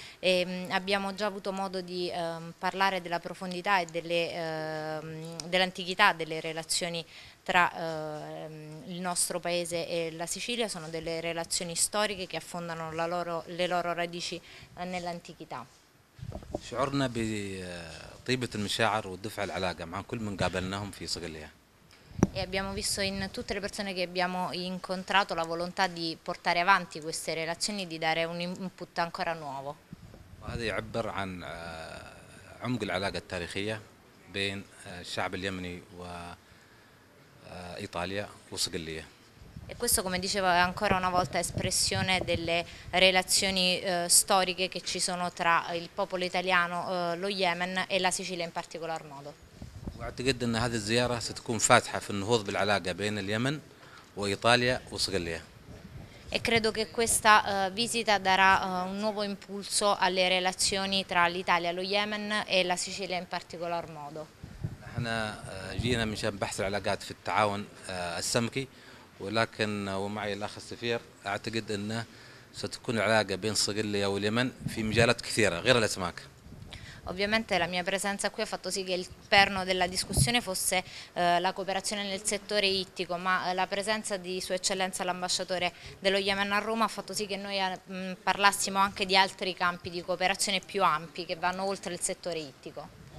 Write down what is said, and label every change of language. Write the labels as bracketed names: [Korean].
[Italian] E abbiamo già avuto modo di parlare della profondità e dell'antichità delle relazioni tra il nostro paese e la Sicilia. Sono delle relazioni storiche che affondano le loro radici nell'antichità. [Arabic] شعرنا بطيبة المشاعر ودفع العلاقة مع كل من قابلناهم في صقلية. [Italian] E abbiamo visto in tutte le persone che abbiamo incontrato la volontà di portare avanti queste relazioni, di dare un input ancora nuovo. [Arabic] وهذا يعبر عن عمق العلاقة التاريخية بين الشعب اليمني وإيطاليا وصقلية. [Italian] E questo, come dicevo, è ancora una volta espressione delle relazioni storiche che ci sono tra il popolo italiano, lo Yemen e la Sicilia in particolar modo. [Arabic] وأعتقد أن هذه الزيارة ستكون فاتحة في النهوض بالعلاقة بين اليمن وإيطاليا وصقلية. [Italian] E credo che questa visita darà un nuovo impulso alle relazioni tra l'Italia, lo Yemen e la Sicilia in particolar modo. [Arabic] نحن جينا من شان بحث العلاقات في التعاون السمكي، ولكن ومعي الأخ السفير أعتقد أنه ستكون العلاقة بين صقلية واليمن في مجالات كثيرة غير الأسماك. [Italian] Ovviamente la mia presenza qui ha fatto sì che il perno della discussione fosse la cooperazione nel settore ittico, ma la presenza di Sua Eccellenza l'ambasciatore dello Yemen a Roma ha fatto sì che noi parlassimo anche di altri campi di cooperazione più ampi che vanno oltre il settore ittico.